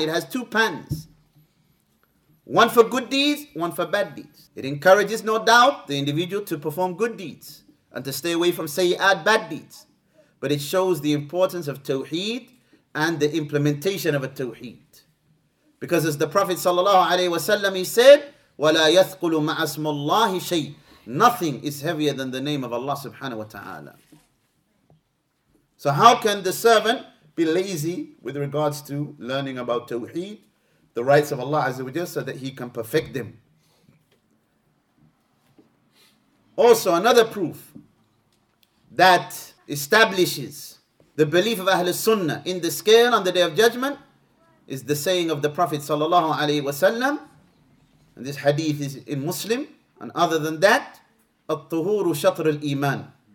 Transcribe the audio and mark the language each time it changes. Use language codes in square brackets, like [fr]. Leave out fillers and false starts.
[en] It has two pans. One for good deeds, one for bad deeds. It encourages, no doubt, the individual to perform good deeds and to stay away from sayyi'at, bad deeds. But it shows the importance of Tawheed and the implementation of a Tawheed. Because as the Prophet ﷺ, he said, [ar] وَلَا يَثْقُلُ مَعَ اسْمُ اللَّهِ شَيْءٍ. [en] Nothing is heavier than the name of Allah subhanahu wa ta'ala. So how can the servant be lazy with regards to learning about Tawheed, the rights of Allah Azza wa Jal, so that he can perfect them? Also, another proof that establishes the belief of Ahlul Sunnah in the scale on the Day of Judgment is the saying of the Prophet sallallahu alayhi wa sallam, and this hadith is in Muslim, and other than that, [ar] الطهور شطر الإيمان.